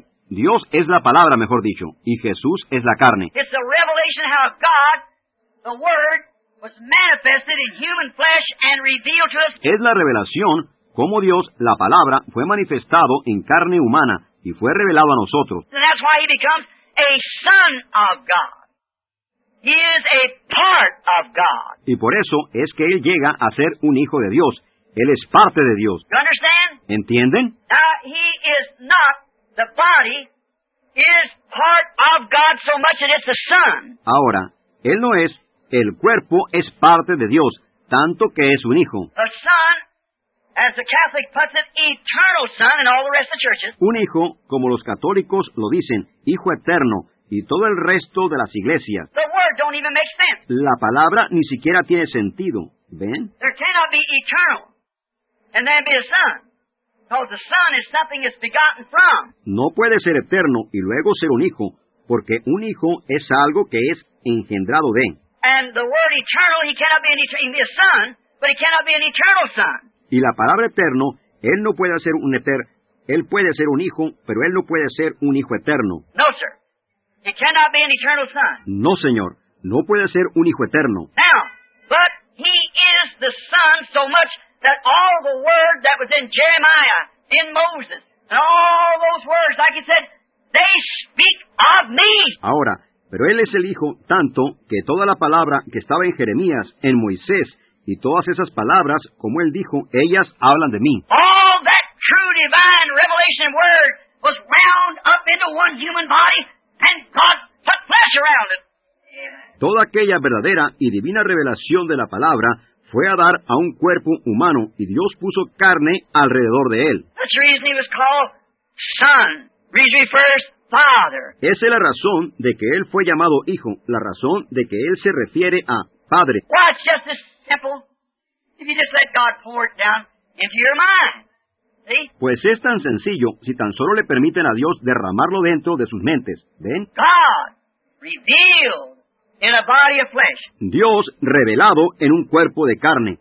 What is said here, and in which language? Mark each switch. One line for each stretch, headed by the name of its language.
Spanish: Dios es la palabra, mejor dicho, y Jesús es la carne.
English: It's a revelation how God, the word, was manifested in human flesh and revealed to us.
Spanish: Es la revelación cómo Dios, la palabra, fue manifestado en carne humana y fue revelado a nosotros.
English: And that's why he becomes a son of God. He is a part of God.
Spanish: Y por eso es que él llega a ser un hijo de Dios. Él es parte de Dios.
English: You understand?
Spanish: ¿Entienden?
English: He is not the body. He is part of God so much that it's the son.
Spanish: Ahora, él no es. El cuerpo es parte de Dios, tanto que es un hijo.
English: A son, as the Catholic puts it, eternal son in all the rest of the churches.
Spanish: Un hijo, como los católicos lo dicen, hijo eterno, y todo el resto de las iglesias.
English: The word don't even make sense.
Spanish: La palabra ni siquiera tiene sentido. ¿Ven?
English: There cannot be eternal and then be a son. Because the son is something it's begotten from.
Spanish: No puede ser eterno y luego ser un hijo, porque un hijo es algo que es engendrado de.
English: And the word eternal, he cannot be an eternal son, but he cannot be an eternal son.
Spanish: Y la palabra eterno, él no puede ser un eterno. Él puede ser un hijo, pero él no puede ser un hijo eterno.
English: No, sir. He cannot be an eternal son.
Spanish: No, señor. No puede ser un hijo eterno.
English: Now, but he is the son so much that all the word that was in Jeremiah, in Moses, and all those words, like he said, they speak of me.
Spanish: Ahora, pero él es el hijo tanto que toda la palabra que estaba en Jeremías, en Moisés, y todas esas palabras, como él dijo, ellas hablan de mí.
English: All that true divine revelation word was wound up into one human body, and God put flesh around it.
Spanish: Toda aquella verdadera y divina revelación de la palabra fue a dar a un cuerpo humano, y Dios puso carne alrededor de él.
English: That's the reason he was called Son. Read me first. Father.
Spanish: Esa es la razón de que él fue llamado hijo, la razón de que él se refiere a padre.
English: Why, it's just as simple if you just let God pour it down into your mind. See?
Spanish: Pues es tan sencillo si tan solo le permiten a Dios derramarlo dentro de sus mentes. ¿Ven?
English: God revealed in a body of flesh.
Spanish: Dios revelado en un cuerpo de carne.